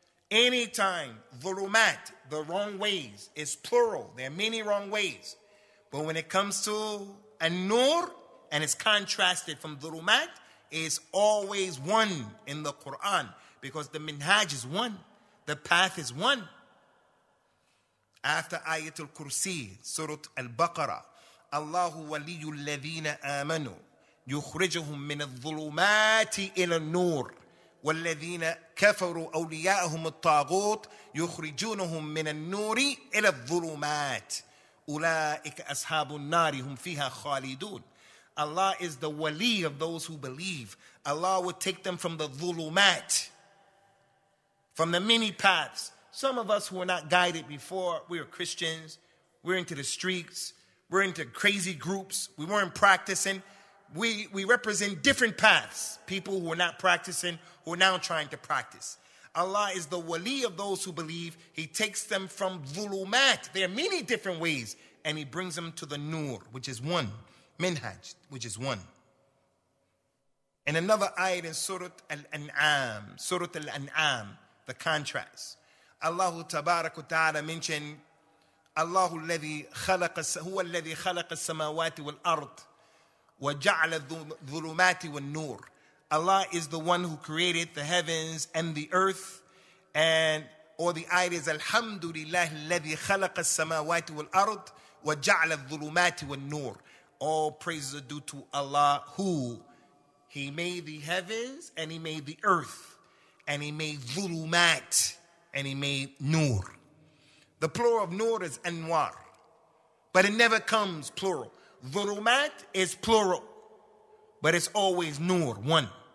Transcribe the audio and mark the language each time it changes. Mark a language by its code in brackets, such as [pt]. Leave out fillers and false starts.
[en] Anytime dhulumat, the wrong ways, is plural. There are many wrong ways. But when it comes to a nur, and it's contrasted from dhulumat, is always one in the Quran. Because the minhaj is one. The path is one. After ayatul kursi, surah al-Baqarah, [ar] الله ولي الذين آمنوا يخرجهم من الظلمات إلى النور والذين كفروا أولياءهم الطاغوت يخرجونهم من النور إلى الظلمات أولئك أصحاب النار هم فيها خالدون. [en] Allah is the wali of those who believe. Allah would take them from the dhulumat, from the many paths. Some of us who were not guided before, we were Christians, we're into the streets, we're into crazy groups, we weren't practicing. We represent different paths, people who are not practicing, who are now trying to practice. Allah is the wali of those who believe. He takes them from dhulumat. There are many different ways, and he brings them to the nur, which is one. Minhaj, which is one. And another ayat in Surah Al-An'am, the contrast. [ar] Allah tabarak wa ta'ala mentioned, Allah الذي خلق السماوات والأرض وجعل الظلمات والنور. [en] Allah is the one who created the heavens and the earth. And, or the ayat is, [ar] Alhamdulillah الذي خلق السماوات والأرض وجعل الظلمات والنور. [en] All praises are due to Allah who he made the heavens and he made the earth and he made dhulumat and he made nur. The plural of nur is anwar, but it never comes plural. Dhulumat is plural, but it's always nur, one.